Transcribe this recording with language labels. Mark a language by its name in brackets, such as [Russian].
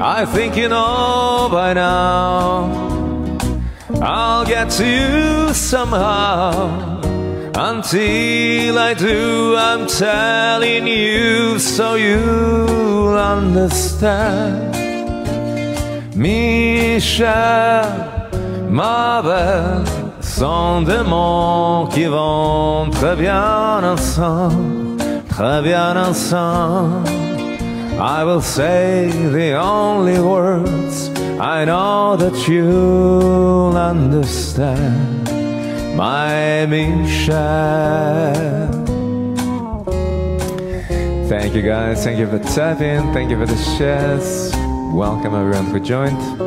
[English] I think you know by now. I'll get to you somehow. Until I do, I'm telling you so you'll understand. [French] Michelle, Mabel, sont des mots qui vont très bien ensemble, très bien ensemble. [English] I will say the only words I know that you'll understand. My Michelle. Thank you guys, thank you for tapping, thank you for the shares. Welcome everyone who joined.